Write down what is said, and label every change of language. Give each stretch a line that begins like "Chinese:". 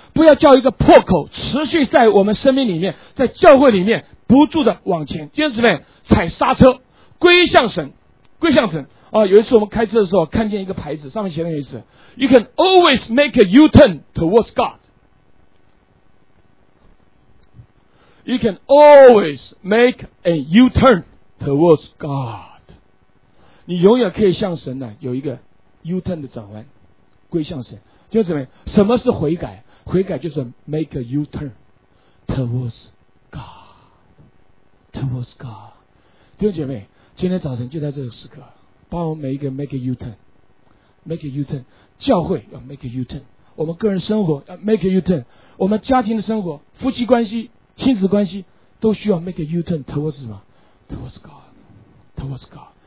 Chinese: 不要叫一个破口持续在我们生命里面，在教会里面不住的往前。弟兄姐妹，踩刹车，归向神，归向神。有一次我们开车的时候看见一个牌子，上面写的那一次
English: You can always make a U-turn towards God.
Chinese: You can always make a U-turn towards God. 你永远可以向神呢有一个 U-turn 的转弯，归向神。就是什么是悔改？悔改就是
English: make a U-turn towards God. Towards God.
Chinese: 弟兄姐妹，今天早晨就在这个时刻，帮我们每一个 make a U-turn， make a U-turn， 教会要 make a U-turn， 我们个人生活要 make a U-turn， 我们家庭的生活、夫妻关系、亲子关系都需要
English: make a U-turn towards
Chinese: 什么 ？
English: towards God，towards God。